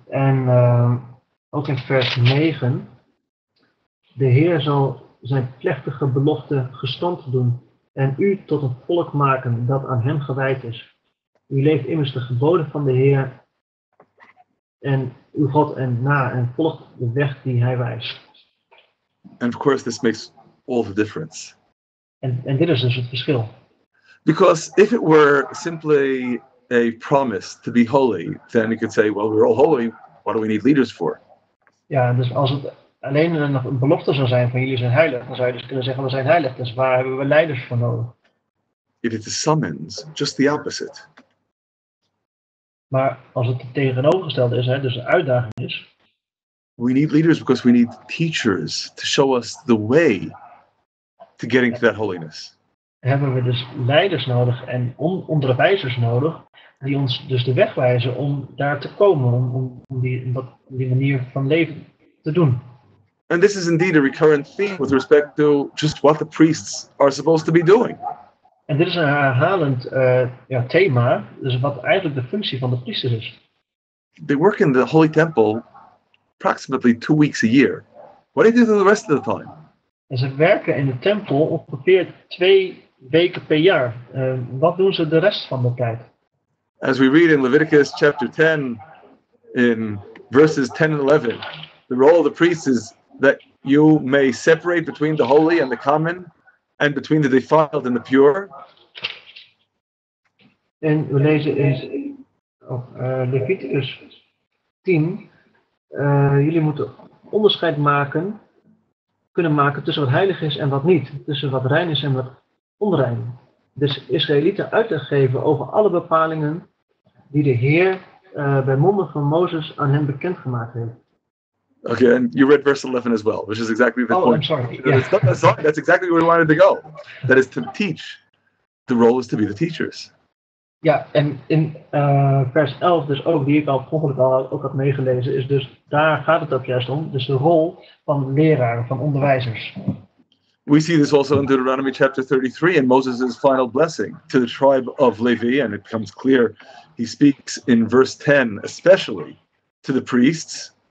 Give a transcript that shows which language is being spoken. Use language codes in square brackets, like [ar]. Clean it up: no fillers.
[nl] En ook in vers 9, de Heer zal zijn plechtige belofte gestand doen en u tot een volk maken dat aan hem gewijd is. U leeft immers de geboden van de Heer en uw God en na en volgt de weg die hij wijst. [en] And of course this makes all the difference. [nl] En dit is dus het verschil. [en] Because if it were simply a promise to be holy, then you could say, well, we're all holy, what do we need leaders for? [nl] Ja, dus als het alleen een belofte zou zijn van jullie zijn heilig, dan zou je dus kunnen zeggen, we zijn heilig, dus waar hebben we leiders voor nodig? [en] If it is summons, just the opposite. [nl] Maar als het tegenovergestelde is, hè, dus een uitdaging is. [en] We need leaders because we need teachers to show us the way to getting to that holiness. [nl] Hebben we dus leiders nodig en onderwijzers nodig die ons dus de weg wijzen om daar te komen, om die manier van leven te doen. [en] And this is indeed a recurrent theme with respect to just what the priests are supposed to be doing. [nl] En dit is een herhalend thema, dus wat eigenlijk de functie van de priesters is. [en] They work in the Holy Temple approximately 2 weeks a year. What do they do the rest of the time? [nl] En ze werken in de tempel ongeveer 2 weken per jaar. Wat doen ze de rest van de tijd? [en] As we read in Leviticus chapter 10, in verses 10 and 11, the role of the priest is that you may separate between the holy and the common, and between the defiled and the pure. [nl] En we lezen in Leviticus 10, jullie moeten onderscheid maken, kunnen maken tussen wat heilig is en wat niet, tussen wat rein is en wat onrein. Dus Israëlieten uitleg geven over alle bepalingen die de Heer bij monden van Mozes aan hen bekendgemaakt heeft. [en] Okay, and you read verse 11 as well, which is exactly the point. Oh, I'm sorry. Yeah. That's exactly where we wanted to go. That is to teach. The role is to be the teachers. [nl] Ja, en in vers 11, dus ook die ik al vroeger ook had meegelezen, is dus daar gaat het ook juist om. Dus de rol van leraren, van onderwijzers. [en] We see this also in Deuteronomy chapter 33 and Moses' final blessing to the tribe of Levi, and it becomes clear he speaks in verse 10, especially to the priests.